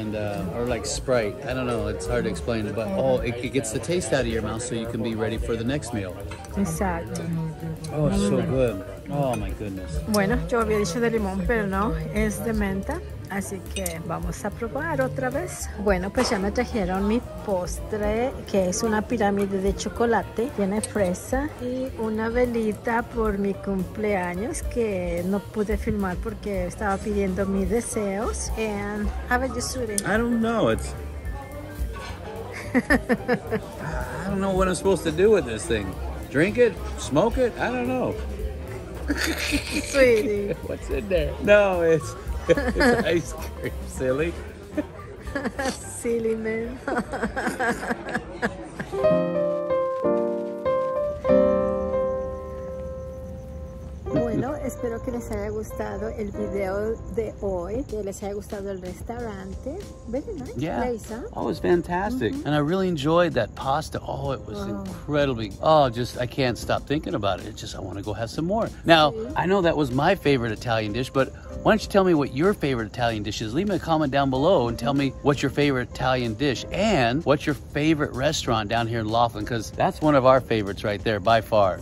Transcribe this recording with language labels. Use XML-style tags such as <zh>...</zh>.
<en>And, or like Sprite, I don't know, it's hard to explain, but oh, it gets the taste out of your mouth so you can be ready for the next meal.</en> <es>Exacto.</es> <en>Oh, so good. Oh, my goodness.</en> <es>Bueno, yo había dicho de limón, pero no, es de menta. Así que vamos a probar otra vez. Bueno, pues ya me trajeron mi postre, que es una pirámide de chocolate. Tiene fresa y una velita por mi cumpleaños, que no pude filmar porque estaba pidiendo mis deseos.</es> <en>And how about you, sweetie? I don't know. It's... I don't know what I'm supposed to do with this thing. Drink it? Smoke it? I don't know. Sweetie. What's in there? No, it's... It's ice cream, silly. Silly man.</en> <es>Bueno, espero que les haya gustado el video de hoy, que les haya gustado el restaurante.</es> <en>Very nice place, huh? Oh, it's fantastic. Mm-hmm. And I really enjoyed that pasta. Oh, it was incredibly. Oh, just, I can't stop thinking about it. It's just, I want to go have some more. Now, I know that was my favorite Italian dish, but why don't you tell me what your favorite Italian dish is? Leave me a comment down below and tell me what's your favorite Italian dish and what's your favorite restaurant down here in Laughlin, because that's one of our favorites right there by far.</en>